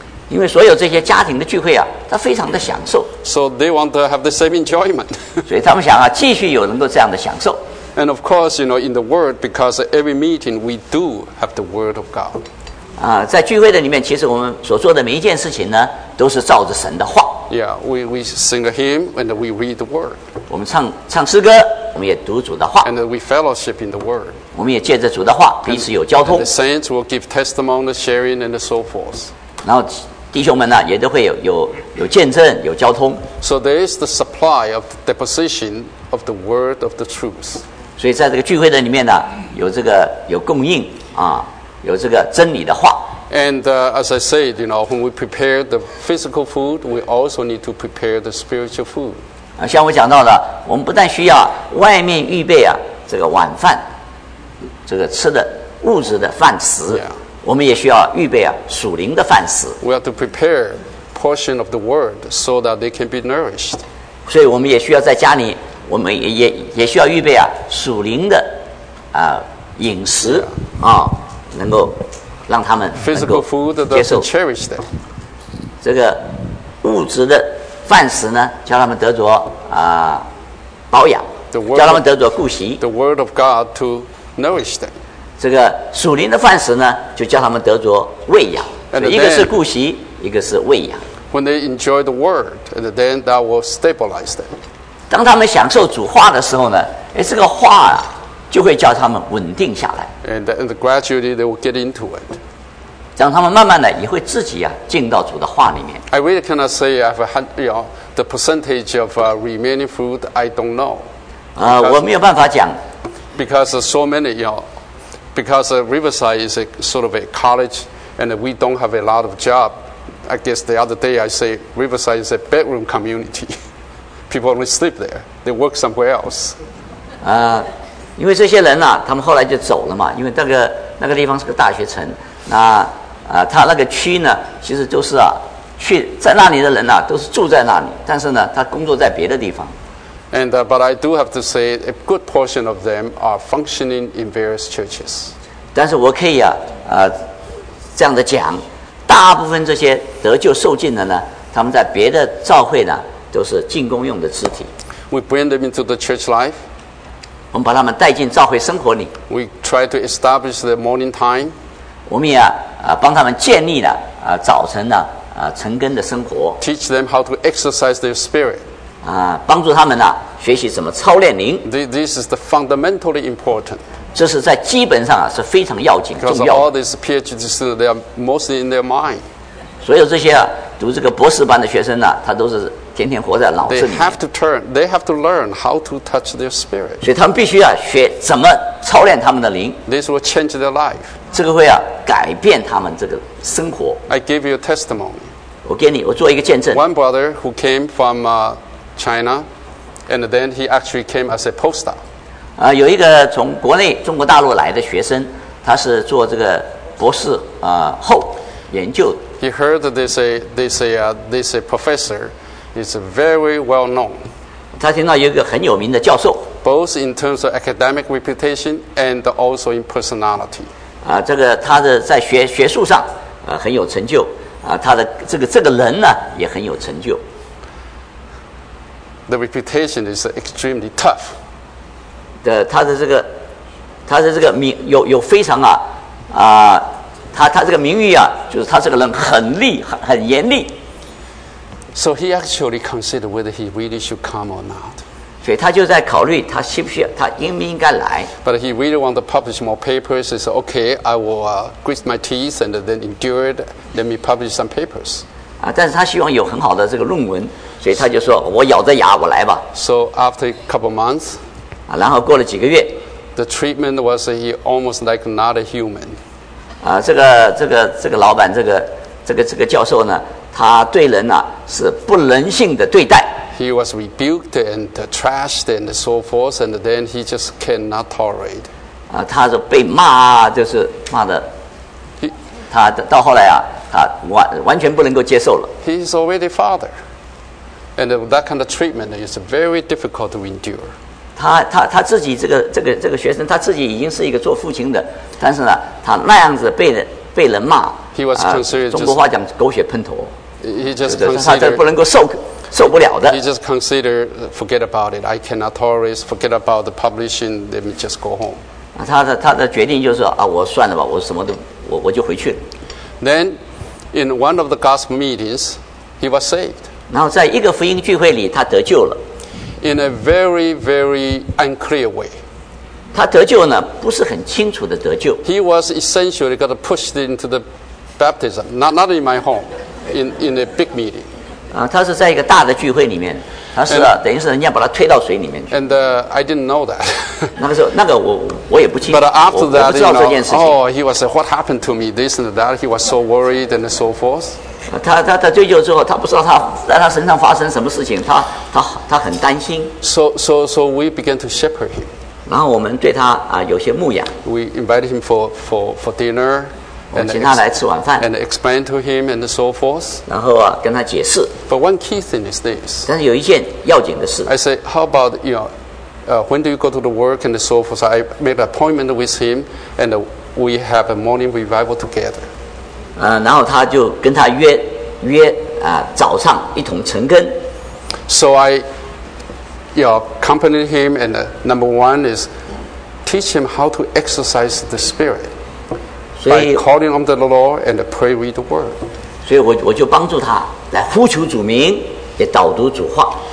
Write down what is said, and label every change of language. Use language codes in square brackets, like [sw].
[zh] 因为所有这些家庭的聚会啊，他非常的享受。 [en] So they want to have the same enjoyment. [zh] 所以他们想啊，继续有能够这样的享受。 [en] And of course, you know, in the word, because every meeting we do have the word of God. [zh] 啊，在聚会的里面，其实我们所做的每一件事情呢，都是照着神的话。 [en] Yeah, we sing a hymn and we read the word. [zh] 我们唱诗歌，我们也读主的话。 [en] And we fellowship in the word. [zh] 我们也借着主的话彼此有交通。 [en] And the saints will give testimony, sharing, and so forth. [zh] 然后弟兄们呢、啊，也都会有见证，有交通。 [en] So there is the supply of the deposition of the word of the truth. [zh] 所以在这个聚会的里面呢，有这个有供应啊，有这个真理的话。 [en] And as I said, you know, when we prepare the physical food, we also need to prepare the spiritual food. [zh] 啊，像我讲到的，我们不但需要外面预备啊这个晚饭，这个吃的物质的饭食。 Yeah. 我们也需要预备啊，属灵的饭食。 [en] We have to prepare portion of the word so that they can be nourished. [zh] 所以我们也需要在家里，我们也需要预备啊，属灵的啊、饮食啊、哦，能够让他们能够接受。 [en] Cherish them. [zh] 这个物质的饭食呢，叫他们得着啊、保养， [en] the word [zh] 叫他们得着顾惜。 [en] The word of God to nourish them. [zh] 这个属灵的饭食呢，就叫他们得着喂养。 [en] Then, [zh] 一个是顾惜，一个是喂养。 [en] When they enjoy the word, and then that will stabilize them. [zh] 当他们享受主话的时候呢，哎，这个话啊，就会叫他们稳定下来。 [en] And gradually they will get into it. [zh] 让他们慢慢的也会自己啊，进到主的话里面。 [en] I really cannot say I have a, you know, the percentage of remaining fruit. I don't know. [zh] 我没有办法讲。 [en] Because so many, you know. Because Riverside is a sort of a college, and we don't have a lot of job. I guess the other day I say Riverside is a bedroom community. People only sleep there. They work somewhere else. [zh] 因为这些人呐、啊，他们后来就走了嘛。因为那个地方是个大学城，那他那个区呢，其实就是啊，去在那里的人呐、啊，都是住在那里，但是呢，他工作在别的地方。 [en] And but I do have to say a good portion of them are functioning in various churches. [zh] 但是我可以啊，这样的讲，大部分这些得救受浸的呢，他们在别的教会呢，都是进贡用的肢体。 [en] We bring them into the church life. [zh] 我们把他们带进教会生活里。 [en] We try to establish the morning time. [zh] 我们也帮他们建立了早晨的晨更的生活。 [en] Teach them how to exercise their spirit. [zh] 帮助他们学习怎么操练灵。 [en] This is the fundamentally important. [zh] 这是在基本上是非常要紧重要的。 [en] Because all these PhDs, they are mostly in their mind. [zh] 所有这些读这个博士班的学生他都是。天天活在脑子里面。 [en] They have to turn. They have to learn how to touch their spirit. [zh] 所以他们必须学怎么操练他们的灵。 [en] This will change their life. [zh] 这个会改变他们这个生活。 [en] I give you a testimony. [zh] 我做一个见证。 [en] One brother who came from China, and then he actually came as a postdoc. [zh] 有一个从国内中国大陆来的学生，他是做这个博士后研究。 [en] He heard that they say professor. It's very well known. [zh] 他听到有一个很有名的教授。 [en] Both in terms of academic reputation and also in personality. [zh] 这个他的在学术上很有成就。他的这个人呢也很有成就。 [en] The reputation is extremely tough. [zh] 他的这个名有非常他这个名誉就是他这个人很厉害很严厉。 [en] So he actually considered whether he really should come or not. [zh] 所以他就在考虑他需不需要，他应不应该来。 [en] But he really wanted to publish more papers. He said, "Okay, I will grit my teeth and then endure it. Let me publish some papers." [zh] 但是他希望有很好的这个论文，所以他就说我咬着牙我来吧。 [en] So after a couple months, [zh] 然后过了几个月 [en] ，the treatment was he almost like not a human. [zh] 这个老板，这个教授呢？他对人是不人性的对待。 [en] He was rebuked and trashed and so forth, and then he just cannot tolerate. [zh] 他是被骂，就是骂的。他到后来他完全不能够接受了。 [en] He is already father, and that kind of treatment is very difficult to endure. [zh] 他自己这个学生他自己已经是一个做父亲的，但是他那样子被人骂。 [en] He was considered [zh] 中国话讲狗血喷头。 [en] He just considered [zh] 他不能够受不了的。 [en] He just considered forget about it. I cannot tolerate. Forget about the publishing. Let me just go home. [zh] 他的决定就是我算了吧，我什么都我就回去了。 [en] Then, in one of the gospel meetings, he was saved. [zh] 然后在一个福音聚会里，他得救了。 [en] In a very very unclear way. [zh] 他得救呢，不是很清楚的得救。 [en] He was essentially got pushed into the baptism. Not in my home. In a big meeting, [zh] 他是在一个大的聚会里面，他是等于是人家把他推到水里面去。 [en] And I didn't know that. [zh] 那个时候，那个我也不清。 [en] But after that, [zh] 我不知道这件事情。 [en] Oh, he was what happened to me? This and that. He was so worried and so forth. [zh] 他醉酒之后，他不知道在他身上发生什么事情，他很担心。 [en] So we began to shepherd him. [zh] 然后我们对他有些牧养。 [en] We invited him for dinner. [zh] 我请他来吃晚饭 [en] and explain to him and so forth. [zh] 然后跟他解释。 [en] But one key thing is this. [zh] 但是有一件要紧的事。 [en] I say, how about you know, when do you go to the work and so forth? I made an appointment with him, and we have a morning revival together. [zh] 然后他就跟他约早上一同晨更。 [en] So I, you know, accompanied him, and number one is teach him how to exercise the spirit. By calling on the Lord and pray read the word. [zh] 所以我就帮助他来呼求主名，也导读主话。